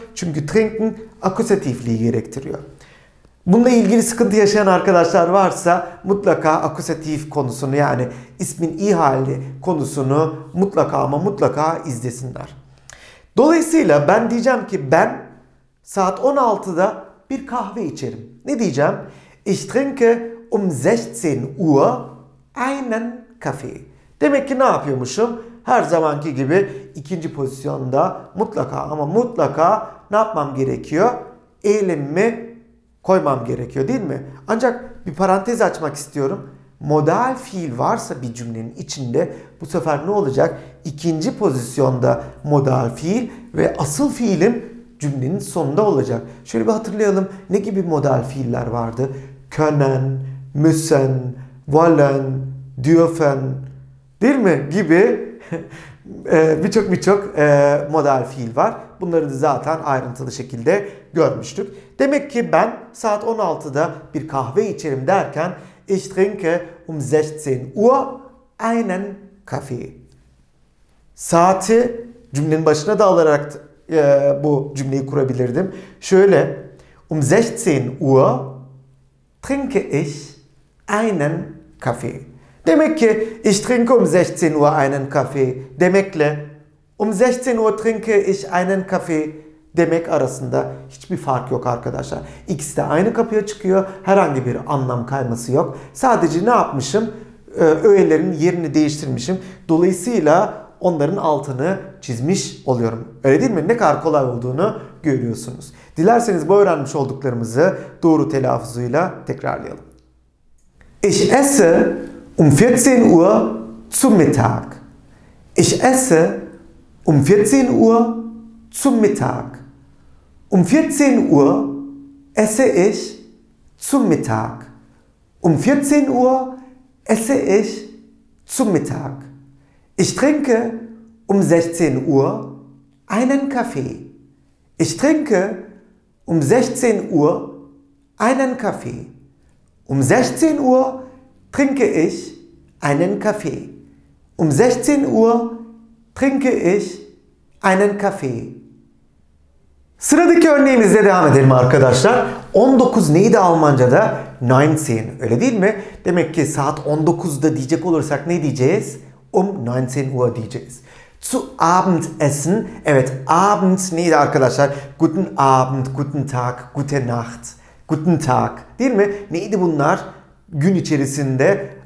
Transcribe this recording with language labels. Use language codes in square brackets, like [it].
[tr] Çünkü trinken akusatifliği gerektiriyor. Bununla ilgili sıkıntı yaşayan arkadaşlar varsa mutlaka akusatif konusunu yani ismin iyi hali konusunu mutlaka ama mutlaka izlesinler. Dolayısıyla ben diyeceğim ki ben saat 16'da bir kahve içerim. Ne diyeceğim? [de] Ich trinke um 16 Uhr einen Kaffee. [tr] Demek ki ne yapıyormuşum? Her zamanki gibi ikinci pozisyonda mutlaka ama mutlaka ne yapmam gerekiyor? Eylemimi koymam gerekiyor değil mi? Ancak bir parantez açmak istiyorum. Modal fiil varsa bir cümlenin içinde bu sefer ne olacak? İkinci pozisyonda modal fiil ve asıl fiilim cümlenin sonunda olacak. Şöyle bir hatırlayalım. Ne gibi modal fiiller vardı? [de] Können, müssen, wollen, dürfen [tr] değil mi? Gibi birçok modal fiil var. Bunları da zaten ayrıntılı şekilde görmüştük. Demek ki ben saat 16'da bir kahve içerim derken [de] Ich trinke um 16 Uhr einen Kaffee. [tr] Saati cümlenin başına da alarak bu cümleyi kurabilirdim. Şöyle [de] um 16 Uhr trinke ich einen Kaffee. [tr] Demek ki [de] ich trinke um 16 Uhr einen Kaffee [tr] demekle [de] um 16 Uhr trinke ich einen Kaffee [tr] demek arasında hiçbir fark yok arkadaşlar. İkisi de aynı kapıya çıkıyor. Herhangi bir anlam kayması yok. Sadece ne yapmışım? Öğelerin yerini değiştirmişim. Dolayısıyla onların altını çizmiş oluyorum. Öyle değil mi? Ne kadar kolay olduğunu görüyorsunuz. Dilerseniz bu öğrenmiş olduklarımızı doğru telaffuzuyla tekrarlayalım. [de] Ich esse um 14 Uhr zum Mittag. Ich esse um 14 Uhr zum Mittag. Um 14 Uhr esse ich zum Mittag. Um 14 Uhr esse ich zum Mittag. Ich trinke um 16 Uhr einen Kaffee. Ich trinke um 16 Uhr einen Kaffee. Um 16 Uhr trinke ich einen Kaffee. Um 16 Uhr trinke ich einen Kaffee. [tr] Sıradaki örneğimizle devam edelim arkadaşlar. 19 neydi Almanca'da? 19 öyle değil mi? Demek ki saat 19'da diyecek olursak ne diyeceğiz? [de] Um 19 Uhr [tr] diyeceğiz. [de] Zu Abendessen. [tr] Evet, Abend neydi arkadaşlar? [de] Guten Abend, Guten Tag, Gute Nacht, Guten Tag. [tr] Değil mi? Neydi bunlar? Gün içerisinde